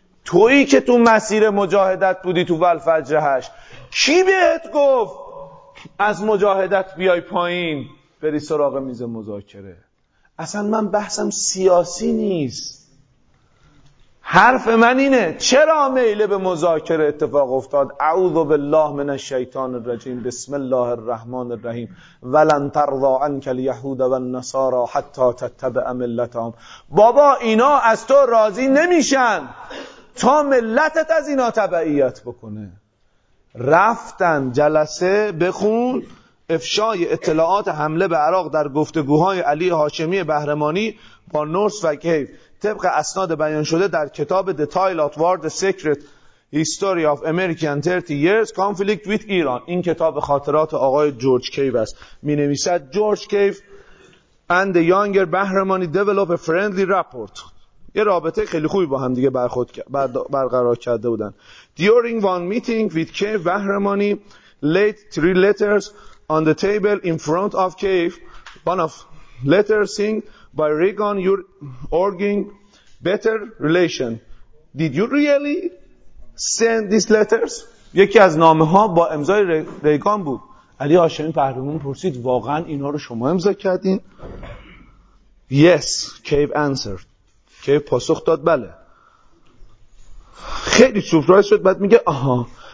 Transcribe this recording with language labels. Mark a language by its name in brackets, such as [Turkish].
[Persian] تویی که تو مسیر مجاهدت بودی تو والفجر هش، کی بهت گفت از مجاهدت بیای پایین بری سراغ میز مذاکره؟ اصلا من بحثم سیاسی نیست، حرف من اینه چرا میل به مذاکره اتفاق افتاد. [Arabic] اعوذ بالله من الشیطان الرجیم، بسم الله الرحمن الرحیم، ولن ترضى عنك اليهود والنصارى حتى تتبع ملتهم. [Persian] بابا اینا از تو راضی نمیشن تا ملتت از اینا تبعیت بکنه. رفتن جلسه بخون، افشای اطلاعات حمله به عراق در گفتگوهای علی هاشمی بهرمانی با نورس و کیف طبق اسناد بیان شده در کتاب [English] The Twilight War, The Secret History of American 30 Years Conflict with Iran. [Persian] این کتاب خاطرات آقای جورج کیف است. می نویسد [English] George Cave and the younger Bahramani develop a friendly rapport. [Persian] یه رابطه خیلی خوبی با هم دیگه برقرار کرده بودن. [English] During one meeting with Kiev, Bahramani laid three letters on the table in front of Kiev, one of letters saying by Reagan you're urging better relation. Did you really send these letters? [Persian] یکی از نامه ها با امضای ریگان بود. علی هاشمی پهرمون پرسید واقعا اینا رو شما امضا کردین؟ [English] Yes, Kiev answered. [Persian] Kiev پاسخ داد بله. خیلی سورپرایز شد، بعد میگه آها.